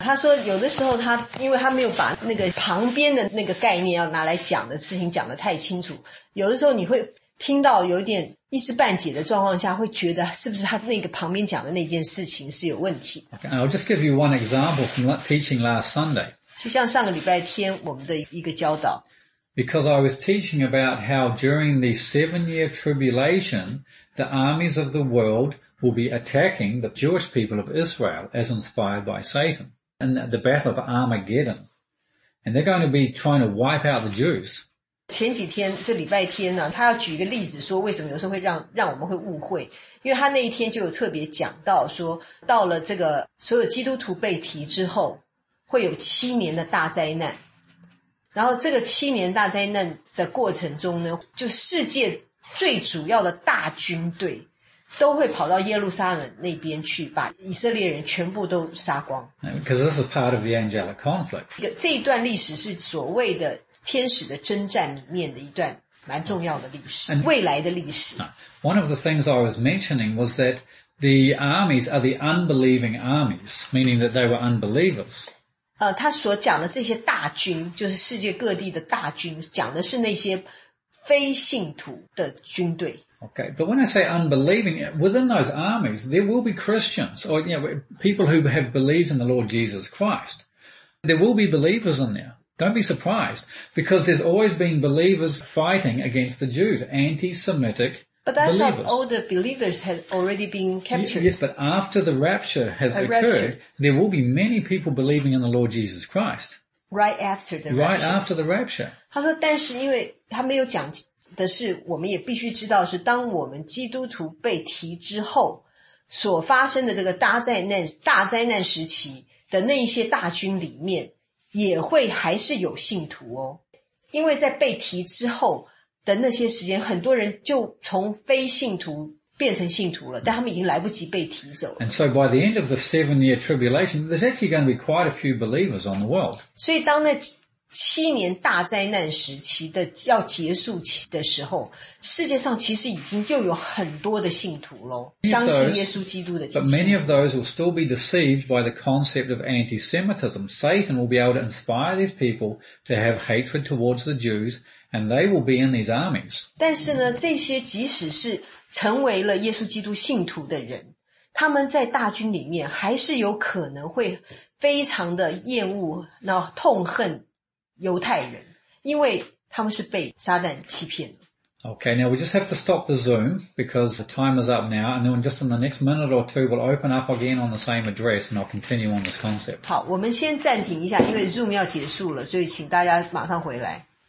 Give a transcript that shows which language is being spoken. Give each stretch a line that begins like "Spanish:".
Chinese: 他说有的时候他，因为他没有把那个旁边的那个概念要拿来讲的事情讲得太清楚，有的时候你会听到有点一知半解的状况下，会觉得是不是他那个旁边讲的那件事情是有问题。
English: Okay, I'll just give you one example from teaching last Sunday.
Chinese: 就像上个礼拜天我们的一个教导。
English: Because I was teaching about how during the 7-year tribulation, the armies of the world will be attacking the Jewish people of Israel as inspired by Satan. And the battle of Armageddon. And they're going to be trying to wipe out the Jews.
Chinese: 前几天就礼拜天呢、啊，他要举一个例子说为什么有时候会让我们会误会，因为他那一天就有特别讲到说，到了这个所有基督徒被提之后会有7年的大灾难，然后这个7年大灾难的过程中呢，就世界最主要的大军队都会跑到耶路撒冷那边去，把以色列人全部都杀光。
English: Because this is part of the angelic conflict.
Chinese: 这一段历史是所谓的天使的征战里面的一段蛮重要的历史
English: and,
Chinese: 未来的历史
English: One of the things I was mentioning was that the armies are the unbelieving armies, meaning that they were unbelievers.
Chinese: 他所讲的这些大军就是世界各地的大军，讲的是那些非信徒的军队。
English: Okay, but when I say unbelieving, within those armies, there will be Christians, or you know, people who have believed in the Lord Jesus Christ. There will be believers in there. Don't be surprised, because there's always been believers fighting against the Jews, anti-Semitic believers. But I thought all the believers had already been captured. Yes, but after the rapture has occurred, there will be many people believing in the Lord Jesus Christ. Right after the rapture. Right after the rapture.
Chinese: 他说，但是因为他没有讲的是，我们也必须知道是，当我们基督徒被提之后，所发生的这个大灾难时期的那一些大军里面，也会还是有信徒哦，因为在被提之后的那些时间，很多人就从非信徒变成信徒了，但他们已经来不及被提走了。
English: And so by the end of the 7-year tribulation, there's actually going to be quite a few believers on the world.
Chinese: 所以当那七年大灾难时期的要结束期的时候，世界上其实已经又有很多的信徒了，相信耶稣基督的。
English: But many of those will still be deceived by the concept of anti-Semitism. Satan will be able to inspire these people to have hatred towards the Jews, and they will be in these armies.
Chinese: 但是呢，这些即使是成为了耶稣基督信徒的人，他们在大军里面还是有可能会非常的厌恶，那痛恨犹太人，因为他们是被撒旦欺骗的。
English: Okay, now we just have to stop the Zoom because the time is up now, and then just in the next minute or two, we'll open up again on the same address, and I'll continue on this concept.
Chinese: 好，我们先暂停一下，因为 Zoom 要结束了，所以请大家马上回来。